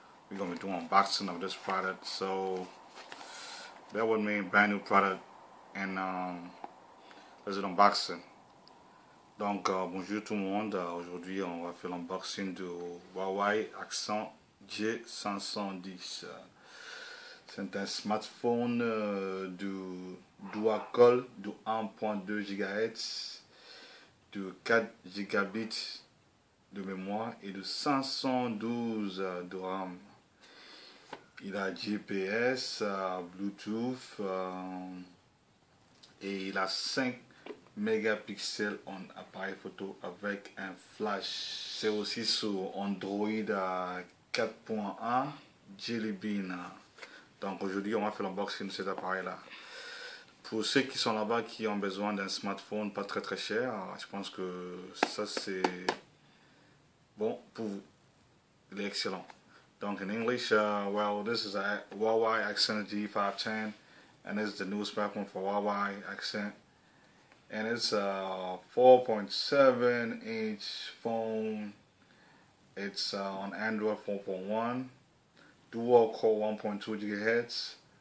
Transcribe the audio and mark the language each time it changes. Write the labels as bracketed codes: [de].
[en] We're gonna be doing unboxing of this product, so bear with me, brand new product, and let's do unboxing. [fr] Donc, bonjour tout le monde. Aujourd'hui, on va faire l'unboxing du HUAWEI Accent G510. C'est un smartphone du dual core de 1.2 GHz, de 4 gigabits de mémoire et de 512 de RAM. Il a GPS, Bluetooth et il a 5 mégapixel en appareil photo avec un flash. C'est aussi sur Android 4.1 jellybean. Donc aujourd'hui on va faire l'unboxing de cet appareil là. Pour ceux qui sont là-bas qui ont besoin d'un smartphone pas très très cher, je pense que ça c'est bon pour vous. Il est excellent. Donc [en] in English, well, this is a HUAWEI Accent G510 and it's the new smartphone for HUAWEI Accent. And it's a 4.7-inch phone. It's on Android 4.1. Dual core 1.2 GHz.